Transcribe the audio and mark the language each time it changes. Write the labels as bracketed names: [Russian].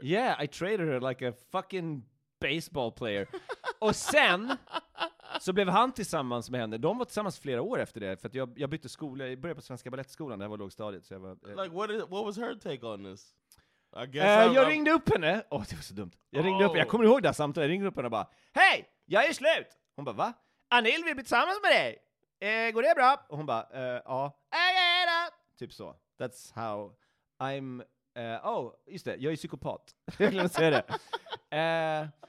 [English] Yeah, I traded her like a fucking baseball player. [Swedish] Och sen så blev han tillsammans med henne. De var tillsammans flera år efter det. För att jag bytte skola. Jag började på Svenska Ballettskolan. Det här var lågstadiet. Så jag var, [English] like, what was her take on this? I guess [Swedish] jag ringde upp henne. Åh, det var så dumt. Jag ringde upp henne. Jag kommer ihåg det här samtalet. Jag ringde upp henne och bara, hej, jag är slut. Hon bara, va? Anil vill bli tillsammans med dig. Går det bra? Och hon bara, ja. Typ så. [English] That's how I'm... [Swedish] just det. Jag är psykopat. Jag glömde säga det.